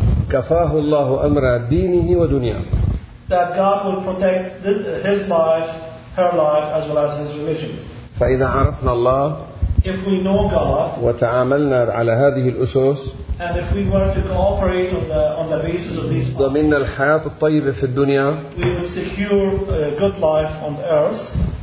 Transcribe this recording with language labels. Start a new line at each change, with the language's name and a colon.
Arabic: كفاه الله أمر دينه ودنياه.
English: That God will protect his life, her life, as well as his religion.
Arabic: فإذا عرفنا الله.
English: If we know God.
Arabic: وتعاملنا على هذه الأسس.
English: And if we were to cooperate on the basis of these.
Arabic: ضمننا الحياة الطيبة في الدنيا.
English: We will secure a good life on earth.